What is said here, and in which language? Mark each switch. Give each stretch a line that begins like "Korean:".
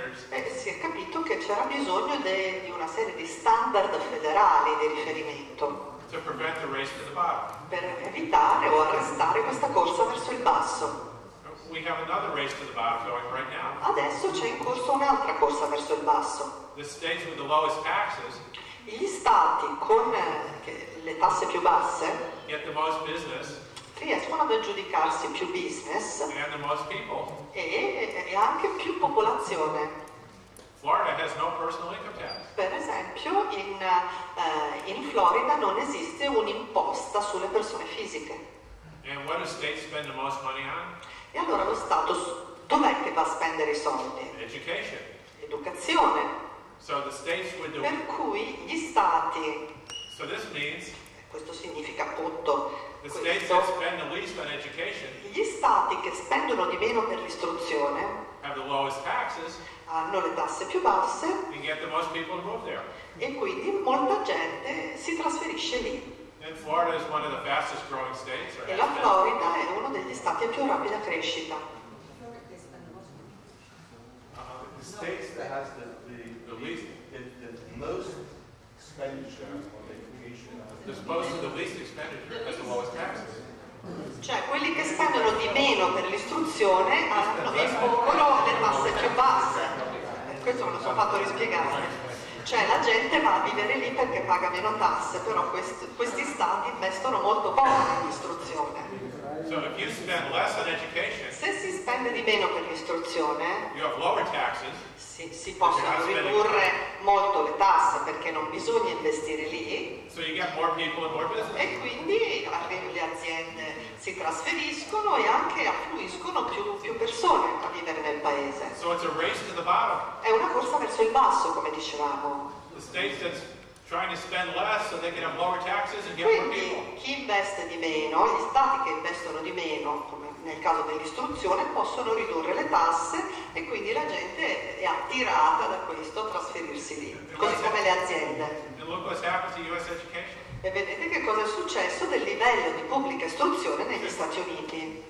Italian: E si è capito che c'era bisogno di una serie di standard federali di riferimento.
English: to prevent the race to the bottom.
Italian: Per evitare o arrestare questa corsa verso il basso.
English: We have another race to the bottom going right now.
Italian: Adesso c'è in corso un'altra corsa verso il basso.
English: The states with the lowest taxes.
Italian: Gli stati con le tasse più basse.
English: Get the most business.
Italian: Riescono ad aggiudicarsi più business.
English: And the most people.
Italian: E anche più popolazione.
English: Florida has no personal income tax.
Italian: Per esempio, in Florida non esiste un'imposta sulle persone fisiche.
English: And what do states spend the most money on?
Italian: E allora lo Stato dov'è che va a spendere i soldi?
English: Education.
Italian: Educazione.
English: So the states with the...
Italian: Per cui gli stati.
English: So this means,
Italian: questo significa appunto.
English: The states that spend the least on education,
Italian: gli stati che spendono di meno per l'istruzione
English: have the lowest taxes,
Italian: hanno le tasse più basse
English: and get the most people to move there.
Italian: E quindi molta gente si trasferisce lì.
English: And Florida is one of the fastest growing states,
Italian: e la Florida è uno degli stati a più rapida crescita.
English: The states that has the least, the most expenditure on education, disposed of the least expenditure has the lowest taxes.
Italian: Cioè quelli che spendono di meno per l'istruzione hanno e pongono le tasse più basse. Questo me lo sono fatto rispiegare. Cioè la gente va a vivere lì perché paga meno tasse, però questi stati investono molto poco nell'istruzione.
English: So if you spend less on education,
Italian: se si spende di meno per l'istruzione,
English: you have lower taxes,
Italian: si possono ridurre molto le tasse perché non bisogna investire lì.
English: So you get more people and more business.
Italian: E quindi arrivano le aziende, si trasferiscono e anche affluiscono più persone a vivere nel paese.
English: So it's a race to the bottom.
Italian: È una corsa verso il basso, come dicevamo.
English: The states that's trying to spend less so they can have lower taxes and get more people.
Italian: Chi investe di meno, gli stati che investono di meno, come nel caso dell'istruzione, possono ridurre le tasse e quindi la gente è attirata da questo a trasferirsi lì, così come le aziende. E vedete che cosa è successo del livello di pubblica istruzione negli Stati Uniti.